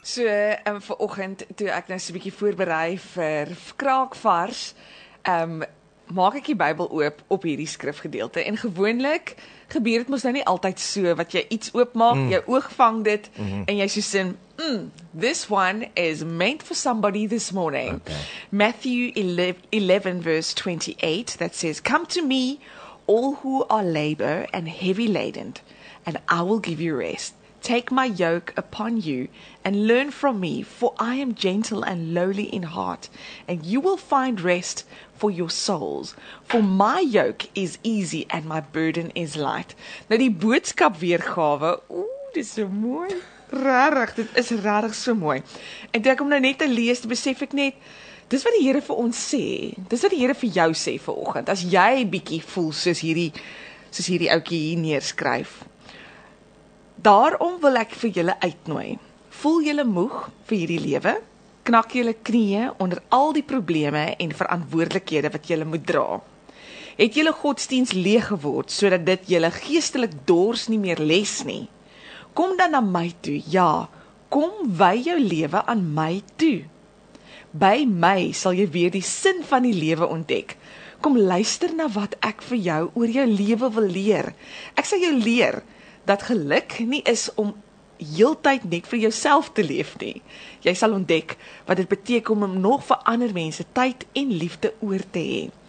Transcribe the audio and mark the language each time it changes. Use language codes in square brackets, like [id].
[af] So, vanoggend toe ek nou so 'n bietjie voorberei vir kraakvars, maak ek die Bybel oop op hierdie skrifgedeelte en gewoonlik gebeur dit mos nou nie altyd so wat jy iets oopmaak, jou oog vang dit en jy so sin, [en] this one is meant for somebody this morning. Okay. Matthew 11 verse 28 that says, come to me all who are labor and heavy laden, and I will give you rest. Take my yoke upon you and learn from me, for I am gentle and lowly in heart, and you will find rest for your souls. For my yoke is easy and my burden is light. [af] Nou die boodskap weergawe, dit is so mooi. Rarig, dit is rarig so mooi. En toe ek om nou net te lees, besef ek net, dis wat die Here vir ons sê. Dis wat die Here vir jou sê vanoggend. As jy bietjie voel soos hierdie ouetjie hier neerskryf. Daarom wil ek vir julle uitnooi. Voel julle moeg vir hierdie lewe? Knak julle knieë onder al die probleme en verantwoordelikhede wat julle moet dra? Het julle godsdiens leeg geword sodat dit julle geestelik dors nie meer les nie? Kom dan na my toe. Ja, kom wy jou lewe aan my toe. By my sal jy weer die sin van die lewe ontdek. Kom luister na wat ek vir jou oor jou lewe wil leer. Ek sal jou leer dat geluk nie is om heeltyd net vir jouself te leef nie. Jy sal ontdek wat dit beteken om nog vir ander mense tyd en liefde oor te hê.